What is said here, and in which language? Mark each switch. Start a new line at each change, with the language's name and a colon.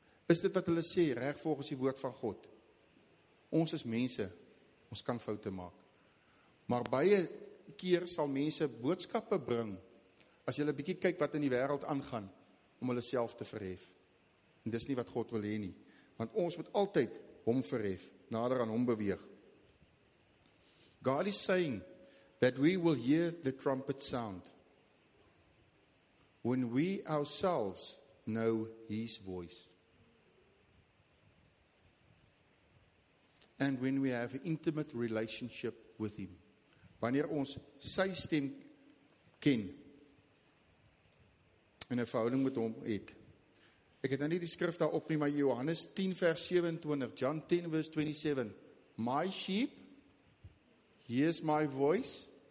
Afrikaans: Is dit wat hulle sê reg volgens die woord van God? Ons is mense. Ons kan foute maak. Maar baie keer sal mense boodskappe bring as jy 'n bietjie kyk wat in die wêreld aangaan om hulle self te verhef. En dis nie wat God wil hê nie. Want ons moet altyd hom verhef, nader aan hom beweeg.
English: God is saying that we will hear the trumpet sound when we ourselves know his voice. And when we have an intimate relationship with him.
Afrikaans: Wanneer ons sy stem ken en 'n verhouding met hom het. Ek het nou nie die skrif daar op nie, maar Johannes 10 vers 27, John 10 vers 27.
English: My sheep, hears my voice.